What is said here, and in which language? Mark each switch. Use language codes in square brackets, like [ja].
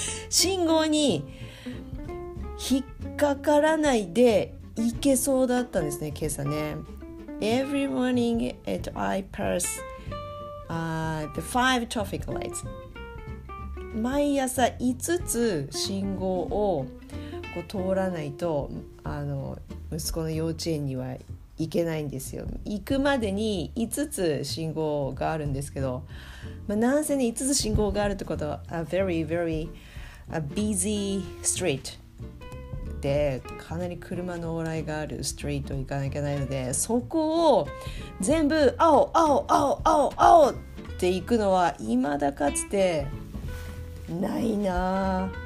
[ja] 信号に引っかからないで行けそうだったんですね、今朝ね。 [en] Every morning at I pass the five traffic lights. [ja] 毎朝5つ信号をこう通らないと、あの息子の幼稚園には行けないんですよ。行くまでに5つ信号があるんですけど、まあ、なんせね、5つ信号があるってことは、 [en] very, very busy street [ja] で、かなり車の往来があるストリート行かなきゃいけないので、そこを全部、青、青、青、青、青って行くのは、未だかつてないなぁ。